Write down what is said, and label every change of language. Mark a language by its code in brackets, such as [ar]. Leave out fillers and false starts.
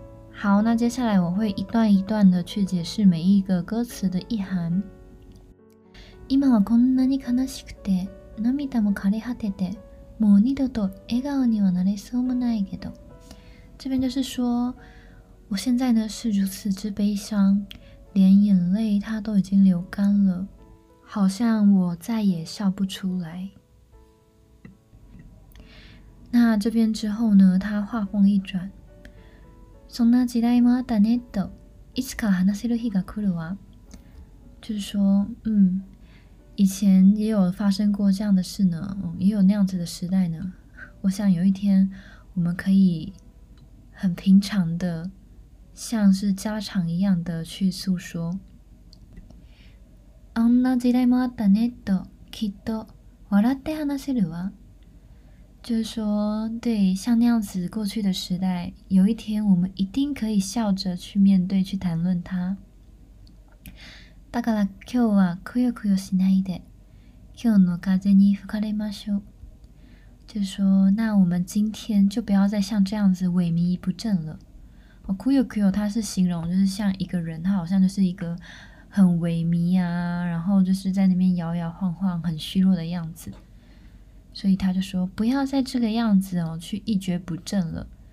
[zh] 好，那接下来我会一段一段的去解释每一个歌词的意涵。 [ja] 今はこんなに悲しくて、涙も枯れ果てて、もう二度と笑顔にはなれそうもないけど。 [zh] 这边就是说，我现在呢是如此之悲伤，连眼泪它都已经流干了，好像我再也笑不出来。那这边之后呢，他话锋一转。 [ja] そんな時代もあったねと、いつか話せる日が来るわ。 [zh] 就是说，以前也有发生过这样的事呢，也有那样子的时代呢。我想有一天，我们可以很平常的，像是家常一样的去诉说。 [ja] あんな時代もあったねと、きっと笑って話せるわ。 [zh] 就是说，对，像那样子过去的时代，有一天我们一定可以笑着去面对，去谈论它。 [ja] だから今日はくよくよしないで、今日の風に吹かれましょう。 [zh] 就是说，那我们今天就不要再像这样子萎靡不振了。哦，くよくよ，它是形容，就是像一个人，他好像就是一个很萎靡啊，然后就是在那边摇摇晃晃，很虚弱的样子。所以他就说，不要再这个样子哦，去一蹶不振了。